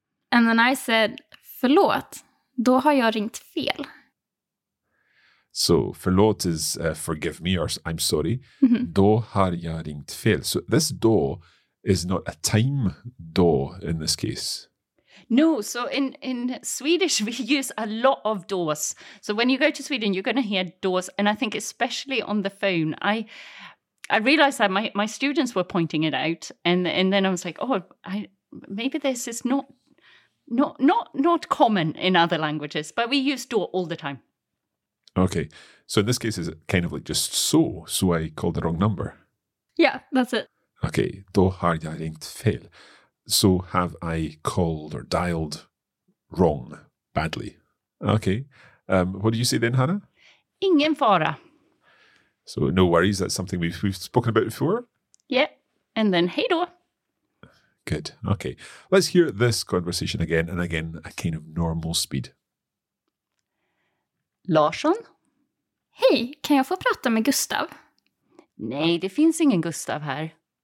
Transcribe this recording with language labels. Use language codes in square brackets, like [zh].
[en] And then I said, [sv] förlåt, då har jag ringt fel. [en] So förlåt is forgive me or I'm sorry. Mm-hmm. [sv] Då har jag ringt fel. [en] So this då is not a time då in this case. No, so in Swedish, we use a lot of doors. So when you go to Sweden, you're going to hear doors. And I think especially on the phone, I realized that my students were pointing it out. And then I was like, maybe this is not common in other languages, but we use door all the time. Okay. So in this case, it's kind of like just so I called the wrong number. Yeah, that's it. [sv] Okay. Då har jag ringt fel. [en] So have I called or dialed wrong, badly. Okay. What do you say then, Hannah? [sv] Ingen fara. [en] So no worries. That's something we've spoken about before. Yeah. And then hej då. Good. Okay. Let's hear this conversation again and again at kind of normal speed. [sv] Larsson? Hej, kan jag få prata med Gustav? Nej, det finns ingen Gustav här.